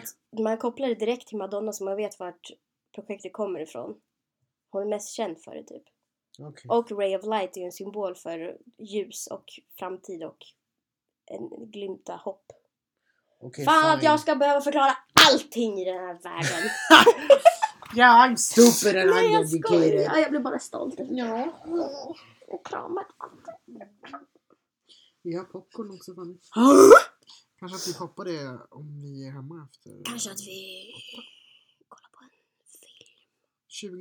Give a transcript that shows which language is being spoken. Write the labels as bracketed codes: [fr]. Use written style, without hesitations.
[sv] Därför att man kopplar det direkt till Madonna som man vet vart projektet kommer ifrån. Hon är mest känd för det typ. Okay. Och Ray of Light är ju en symbol för ljus och framtid och en glimta hopp. Okay, fan fine. Att jag ska behöva förklara allting i den här världen. [en] Ja, yeah, I'm stupid and I'm educated. [sv] Ja, jag blev bara stolt. Ja. Och kramat. Vi har popcorn också, fan. Kanske att vi hoppar det om vi är hemma efter. Kanske att vi kollar på en film.